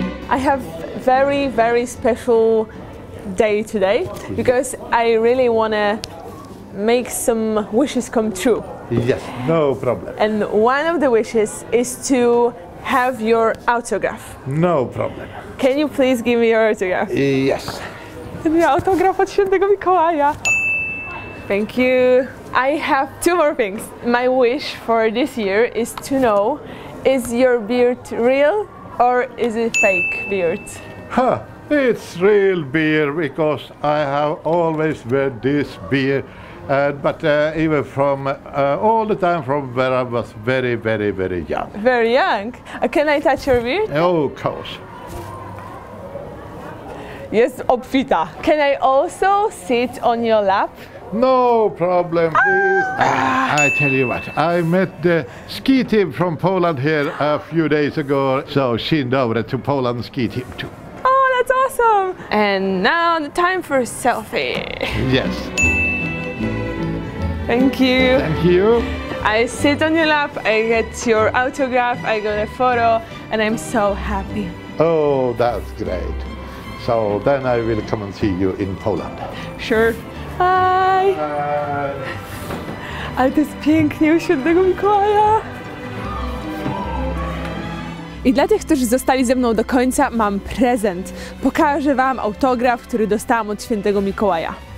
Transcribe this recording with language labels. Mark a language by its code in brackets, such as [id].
[en] I have very, very special day today because I really want to make some wishes come true. Yes, no problem. And one of the wishes is to have your autograph. No problem. Can you please give me your autograph? Yes. [pl] Mój autograf od świętego Mikołaja. [en] Thank you. I have two more things. My wish for this year is to know, is your beard real or is it fake beard? Huh, it's real beard because I have always wear this beard. But all the time from where I was very, very, very young. Very young? Can I touch your beard? Oh, of course. [pl] jest obfita. [en] Can I also sit on your lap? No problem, please. I tell you what, I met the ski team from Poland here a few days ago, so shinned over to Poland ski team too. Oh, that's awesome. And now time for a selfie. Yes. Thank you. Thank you. I sit on your lap, I get your autograph, I got a photo, and I'm so happy. Oh, that's great. So then I will come and see you in Poland. Sure. Hi! [pl] Ale to jest pięknie u Świętego Mikołaja! I dla tych, którzy zostali ze mną do końca, mam prezent. Pokażę wam autograf, który dostałam od Świętego Mikołaja.